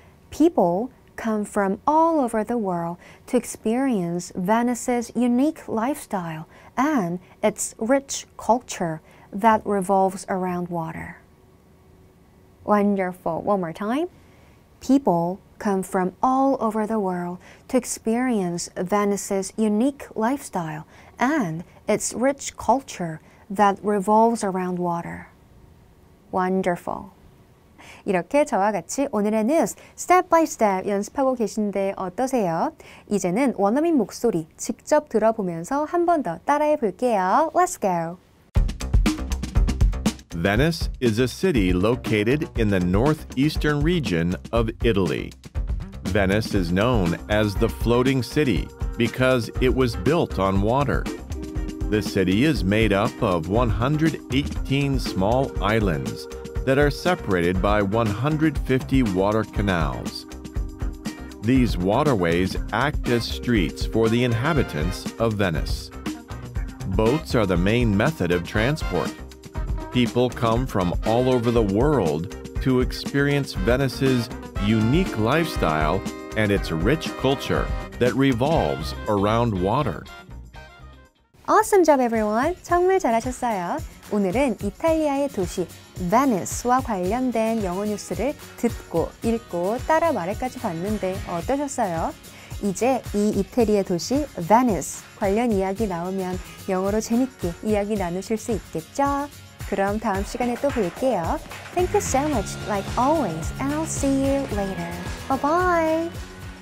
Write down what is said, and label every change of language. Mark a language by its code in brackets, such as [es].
[en] People come from all over the world to experience Venice's unique lifestyle and its rich culture that revolves around water. Wonderful. One more time. People come from all over the world to experience Venice's unique lifestyle and its rich culture that revolves around water. Wonderful. [ko] 이렇게 저와 같이 오늘에는 step by step 연습하고 계신데 어떠세요? 이제는 원어민 목소리 직접 들어보면서 한 번 더 따라해 볼게요. [en] Let's go! Venice is a city located in the northeastern region of Italy. Venice is known as the floating city because it was built on water. The city is made up of 118 small islands that are separated by 150 water canals. These waterways act as streets for the inhabitants of Venice. Boats are the main method of transport. People come from all over the world to experience Venice's unique lifestyle and its rich culture that revolves around water. Awesome job, everyone! [ko] 정말 잘하셨어요. 오늘은 이탈리아의 도시 Venice와 관련된 영어 뉴스를 듣고 읽고 따라 말해까지 봤는데 어떠셨어요? 이제 이 이태리의 도시 Venice 관련 이야기 나오면 영어로 재밌게 이야기 나누실 수 있겠죠? 그럼 다음 시간에 또 볼게요. [en] Thank you so much, like always, and I'll see you later. Bye-bye!